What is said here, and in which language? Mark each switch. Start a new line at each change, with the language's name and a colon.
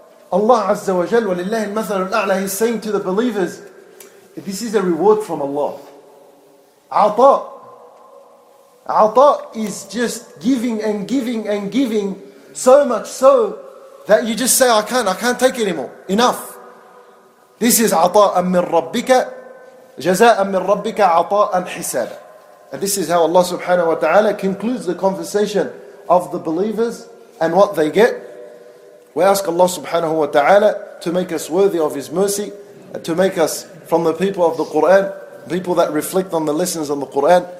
English: Allah Azza wa Jal,
Arabic: وَلِلَّهِ الْمَثَلُ الْأَعْلَى,
English: he's saying to the believers, this is a reward from Allah. Ata is just giving and giving and giving. So much so that you just say, I can't take anymore. Enough. This is
Arabic: عطاءً من ربك, جزاءً من ربك عطاءً حسابًا.
English: And this is how Allah subhanahu wa ta'ala concludes the conversation of the believers and what they get. We ask Allah subhanahu wa ta'ala to make us worthy of His mercy, and to make us from the people of the Qur'an, people that reflect on the lessons of the Qur'an.